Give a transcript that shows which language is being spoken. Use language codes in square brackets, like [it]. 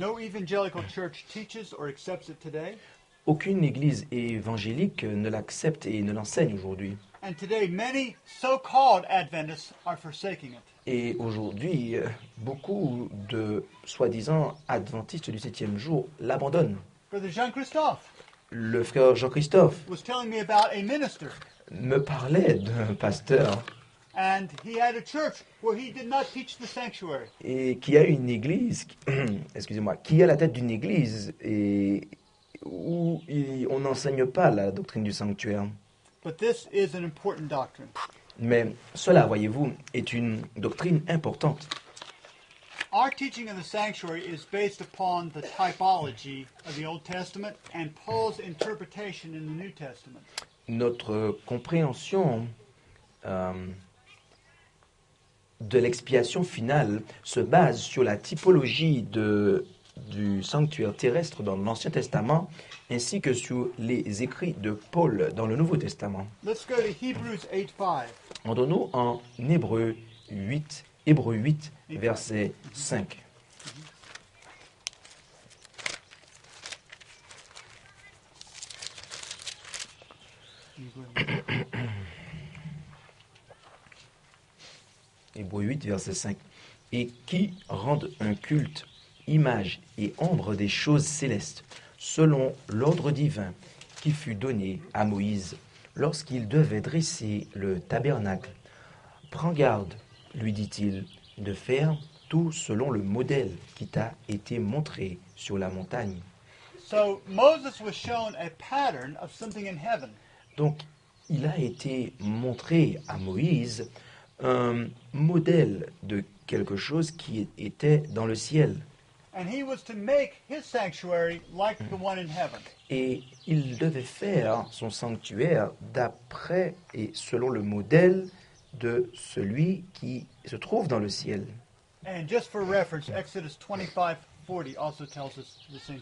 [en] No evangelical church teaches or accepts it today. [fr] Aucune église évangélique ne l'accepte et ne l'enseigne aujourd'hui. [en] And today many so-called Adventists are forsaking it. [fr] Et aujourd'hui, beaucoup de soi-disant adventistes du septième jour l'abandonnent. [en] Brother Jean-Christophe. [fr] Le frère Jean-Christophe [en] was telling me about a minister. [fr] Me parlait d'un pasteur [en] and he had a church where he did not teach the sanctuary. [fr] Et qui a une église, excusez-moi, qui a la tête d'une église et où on n'enseigne pas la doctrine du sanctuaire. [en] But this is an important doctrine. [fr] Mais cela, voyez-vous, est une doctrine importante. [en] Our teaching of the sanctuary is based upon the typology of the Old Testament and Paul's interpretation in the New Testament. [fr] Notre compréhension de l'expiation finale se base sur la typologie du sanctuaire terrestre dans l'Ancien Testament ainsi que sur les écrits de Paul dans le Nouveau Testament. [en] Let's go to Hebrews 8:5. [fr] Rendons-nous en Hébreux 8, verset 5. Hébreux 8, verset 5. Et qui rendent un culte, image et ombre des choses célestes, selon l'ordre divin qui fut donné à Moïse lorsqu'il devait dresser le tabernacle. Prends garde, lui dit-il, de faire tout selon le modèle qui t'a été montré sur la montagne. [en] So, Moses was shown a pattern of something in heaven. [fr] Donc, il a été montré à Moïse un modèle de quelque chose qui était dans le ciel. [en] And he was to make his sanctuary like the one in heaven. [fr] Et il devait faire son sanctuaire d'après et selon le modèle de celui qui se trouve dans le ciel. [en] And just for reference, Exodus 25:40 also tells us the same.